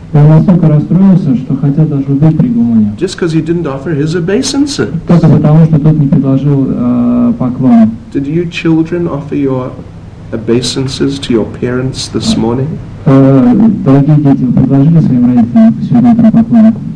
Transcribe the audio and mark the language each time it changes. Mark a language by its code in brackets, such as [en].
[ru] Он настолько расстроился, что хотел даже убить Бригу Муни. [en] Just because he didn't offer his obeisances. [ru] Только потому, что тот не предложил поклон. [en] Did you children offer your obeisances to your parents this morning? [ru] Дорогие дети, вы предложили своим родителям сегодня утром поклон?